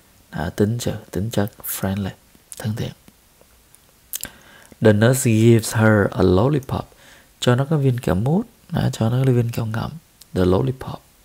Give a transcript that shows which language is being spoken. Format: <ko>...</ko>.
<vi>Đó, tính chất friendly, thân thiện.</vi> <en>The nurse gives her a lollipop.</en> <vi>Cho nó cái viên kẹo mút, cho nó cái viên kẹo ngậm.</vi> <en>The lollipop.</en>